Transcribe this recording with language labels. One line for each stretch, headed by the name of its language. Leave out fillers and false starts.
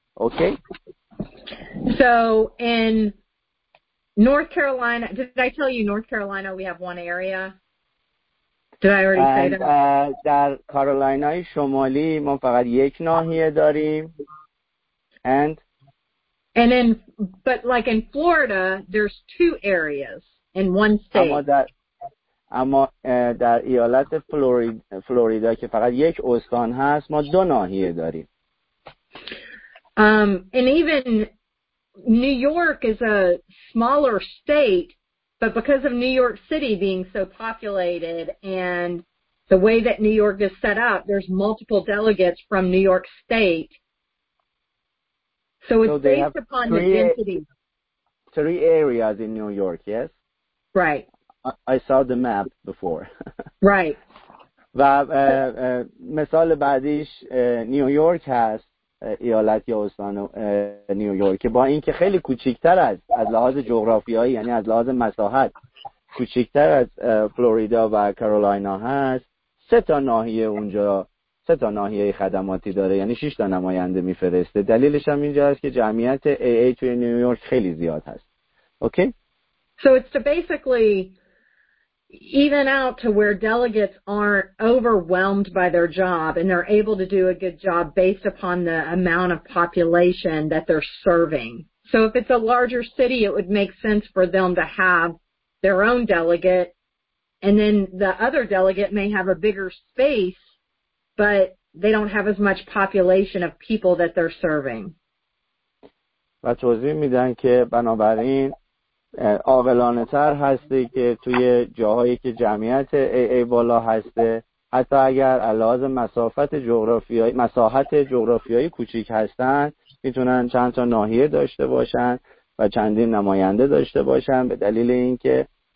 English: Okay? So in North Carolina, did I tell you North Carolina we have 1 area? Did I already and, say that?
Persian: در کارولینای شمالی ما فقط یک ناحیه داریم.
English: And in but like in Florida there's 2 areas in 1 state.
Persian: اما در ایالت فلوریدا که فقط یک استان هست ما 2 ناحیه داریم.
English: And even New York is a smaller state. But because of New York City being so populated and the way that New York is set up, there's multiple delegates from New York State. So it's based upon the density. 3 areas in New York, yes? Right. I saw the map before. Right.
Persian: و مثال بعدیش نیو یورک هست، ایالت یا استان نیویورک، که با اینکه خیلی کوچکتر از لحاظ جغرافیایی، یعنی از لحاظ مساحت کوچکتر از فلوریدا و کارولینا هست، 3 ناحیه اونجا 3 ناحیه خدماتی داره، یعنی 6 نماینده میفرسته. دلیلش هم اینجا هست که جمعیت AA توی نیویورک خیلی زیاد هست.
English: Okay? So it's to basically even out to where delegates aren't overwhelmed by their job and they're able to do a good job based upon the amount of population that they're serving. So if it's a larger city, it would make sense for them to have their own delegate, and then the other delegate may have a bigger space, but they don't have as much population of people that they're serving.
Persian: و توضیح میدن که بنابراین عاقلانه تر هستی که توی جاهایی که جمعیت AA بالا هسته، حتی اگر علاوه مساحت جغرافیایی کوچیک هستن، میتونن چند تا ناحیه داشته باشن و چندین نماینده داشته باشن، به دلیل اینکه